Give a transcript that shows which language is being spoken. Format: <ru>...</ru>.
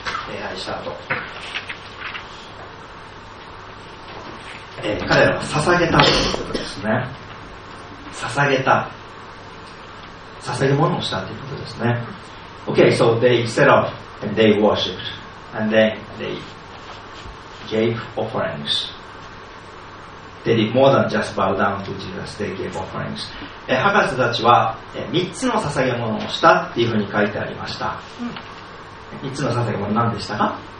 <ja>礼拝した後、彼らは捧げたということですね。捧げた、捧げ物をしたということですね。</ja> <en>Okay, so they set off and they worshipped and then they gave offerings. They did more than just bow down to Jesus. They gave offerings.</en> <ja>博士たちは3つの捧げ物をしたっていうふうに書いてありました。 3つの捧げ物何でしたか、</ja>